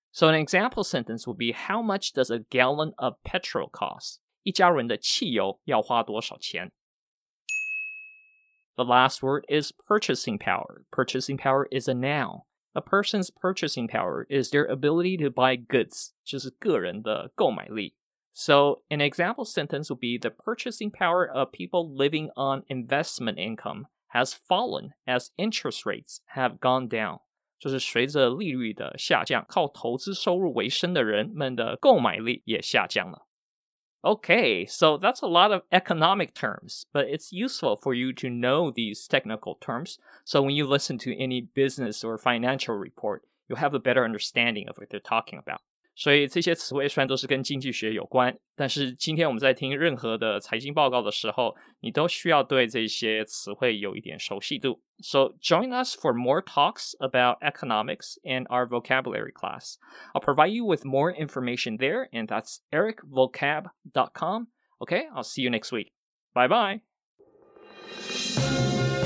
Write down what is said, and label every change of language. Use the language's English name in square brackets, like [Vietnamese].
[English] So an example sentence would be, how much does a gallon of petrol cost? [Chinese] 一家人的汽油要花多少钱? [English] The last word is purchasing power. Purchasing power is a noun. A person's purchasing power is their ability to buy goods, [Chinese] 就是个人的购买力. [English] So an example sentence would be, the purchasing power of people living on investment income has fallen as interest rates have gone down. [Chinese] 就是随着利率的下降, 靠投资收入维生的人们的购买力也下降了. [English] Okay, so that's a lot of economic terms, but it's useful for you to know these technical terms, so when you listen to any business or financial report, you'll have a better understanding of what they're talking about. [Chinese] 所以这些词汇虽然都是跟经济学有关, 但是今天我们在听任何的财经报告的时候, 你都需要对这些词汇有一点熟悉度. [English] So join us for more talks about economics and our vocabulary class. I'll provide you with more information there, and that's ericvocab.com. Okay, I'll see you next week. Bye-bye!